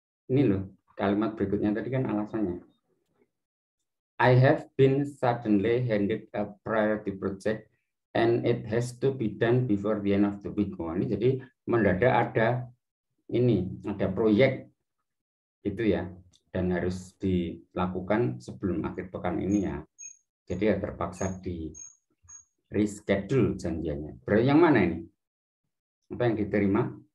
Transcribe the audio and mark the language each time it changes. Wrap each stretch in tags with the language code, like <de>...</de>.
<id>Ini loh, kalimat berikutnya tadi kan alasannya.</id> <en>I have been suddenly handed a priority project and it has to be done before the end of the week.</en> <id>Oh, ini jadi mendadak ada ini, ada proyek gitu ya, dan harus dilakukan sebelum akhir pekan ini ya. Jadi ya terpaksa di reschedule janjiannya. Berarti yang mana ini? Apa yang diterima?</id>